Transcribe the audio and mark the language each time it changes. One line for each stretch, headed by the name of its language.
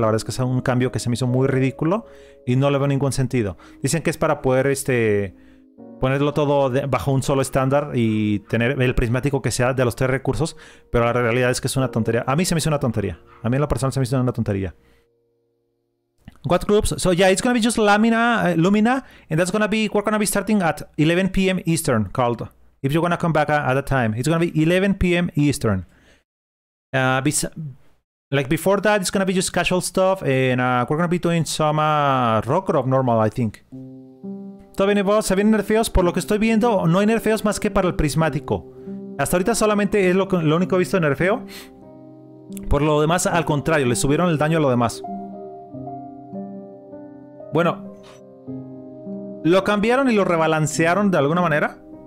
Spanish: La verdad es que es un cambio que se me hizo muy ridículo y no le veo ningún sentido. Dicen que es para poder ponerlo todo bajo un solo estándar y tener el prismático que sea de los tres recursos, pero la realidad es que es una tontería. A mí se me hizo una tontería. A mí en lo personal se me hizo una tontería.
English: What groups? So yeah, it's gonna be just Lumina, and that's gonna be, we're gonna be starting at 11 p.m. Eastern, called. If you're gonna come back at that time, it's gonna be 11 p.m. Eastern. Before that, it's gonna be just casual stuff, and we're gonna be doing some rock group normal, I think.
Spanish: Todo bien, se vienen nerfeos. Por lo que estoy viendo, no hay nerfeos más que para el prismático. Hasta ahorita solamente es lo único que he visto de nerfeo. Por lo demás, al contrario, le subieron el daño a lo demás. Bueno, lo cambiaron y lo rebalancearon de alguna manera.